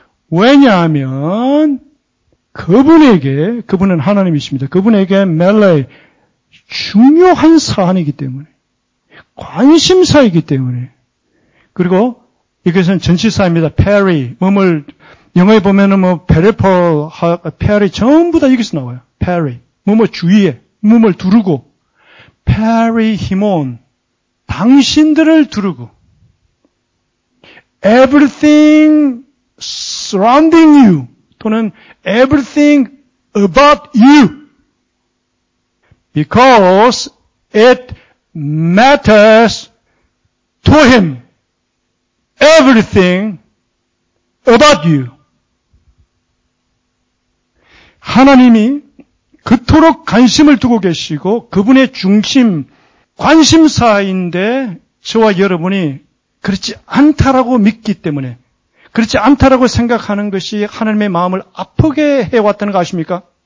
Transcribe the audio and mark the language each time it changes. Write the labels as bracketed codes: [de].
[ko] 왜냐하면 그분에게 그분은 하나님이십니다. 그분에게 멜레이 중요한 사안이기 때문에 관심사이기 때문에 그리고 이것은 전치사입니다. 페리 몸을 영어에 보면은 뭐 페리폴 페리 전부 다 여기서 나와요. 페리 몸을 주위에 몸을 두르고 페리히몬, 당신들을 두르고 [en] everything surrounding you [ko] 또는 [en] everything about you because it matters to him everything about you. [ko] 하나님이 그토록 관심을 두고 계시고 그분의 중심, 관심사인데 저와 여러분이 그렇지 않다라고 믿기 때문에, 그렇지 않다라고 생각하는 것이 하나님의 마음을 아프게 해왔다는 거 아십니까?